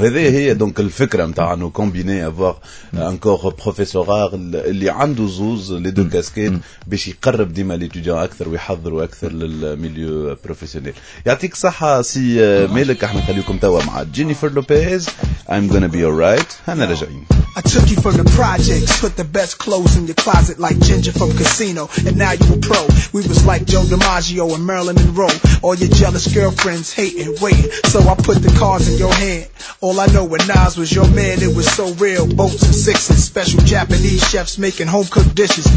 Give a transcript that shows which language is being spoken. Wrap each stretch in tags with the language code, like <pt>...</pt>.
<fr>C'est donc le fait que l'idée de combiner avoir un corps professoral</fr> <ar>اللي عنده زوز</ar> <fr>les deux casquettes</fr> <ar>باش يقرب ديما</ar> <fr>l'étudiant اكثر ويحضروا اكثر milieu professionnel.</fr> <ar>يعطيك صحة سي مالك احنا خليكم توا مع جينيفر لوبيز</ar> <en>I'm gonna be alright</en> <ar>انا رجعين.</ar> <en>I took you from the projects, put the best clothes in your closet like Ginger from Casino and now you a pro. We was like Joe DiMaggio and Marilyn Monroe. All your jealous girlfriends hating, waiting. So I put the cards in your hand. All I know when Nas was your man, it was so real. Boats and sixes, special Japanese chefs making home cooked dishes.</en>